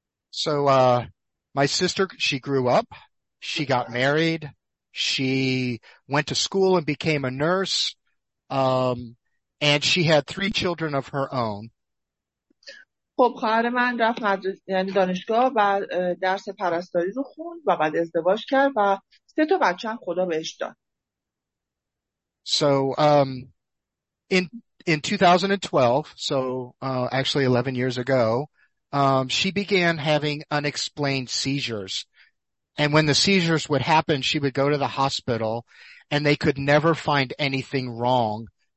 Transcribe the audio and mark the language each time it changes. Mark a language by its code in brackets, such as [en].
[en] So my sister, she grew up, she got married, she went to school and became a nurse, and she had three children of her own. [fa] خب خواهر من رفت دانشگاه و درس پرستاری رو خوند و بعد ازدواج کرد و سه تا بچه هم خدا بهش داد. [en] So in 2012, so actually 11 years ago, she began having unexplained seizures. And when the seizures would happen, she would go to the hospital and they could never find anything wrong.